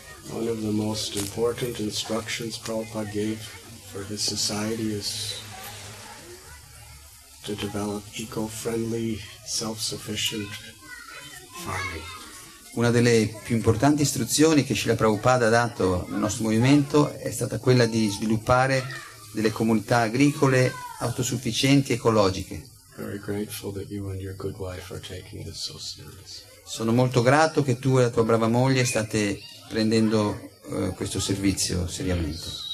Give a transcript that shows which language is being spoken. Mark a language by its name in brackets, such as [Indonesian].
[English] One of the most important instructions Prabhupada gave for his society is to develop eco-friendly, self-sufficient farming. [Italian] Una delle più importanti istruzioni che Srila Prabhupada ha dato al nostro movimento è stata quella di sviluppare delle comunità agricole autosufficienti, ecologiche. [English] Very grateful that you and your good wife are taking this so seriously. [Italian] Sono molto grato che tu e la tua brava moglie state prendendo questo servizio seriamente.